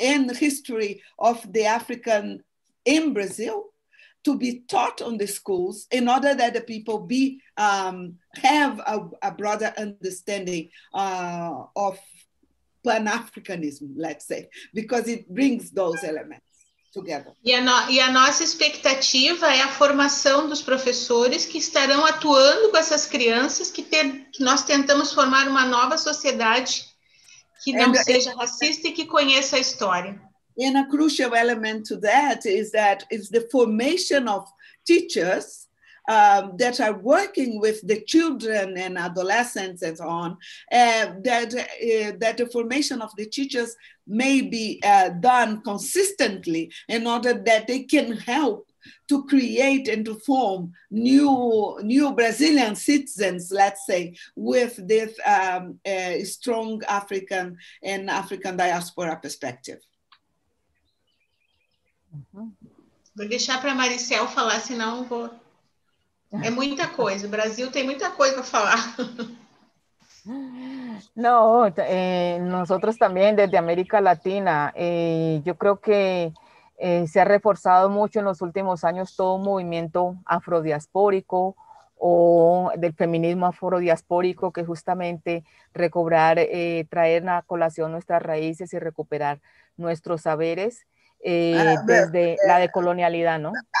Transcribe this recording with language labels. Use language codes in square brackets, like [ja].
[en] history of the African in Brazil to be taught on the schools in order that the people have a broader understanding of pan-africanism, let's say, because it brings those elements together. [pt] E a nossa expectativa é a formação dos professores que estarão atuando com essas crianças que nós tentamos formar uma nova sociedade que não seja racista e que conheça a história. [en] And a crucial element to that is the formation of teachers that are working with the children and adolescents and so on, that the formation of the teachers may be done consistently in order that they can help to create and to form new Brazilian citizens, let's say, with this strong African and African diaspora perspective. Uhum. [pt] Vou deixar para a Maricel falar, senão eu vou. É muita coisa, o Brasil tem muita coisa para falar. Não, nós também, [es] desde América Latina, eu creo que. Se ha reforzado mucho en los últimos años todo un movimiento afrodiaspórico o del feminismo afrodiaspórico, que justamente recobrar, traer a colación nuestras raíces y recuperar nuestros saberes desde la decolonialidad, ¿no?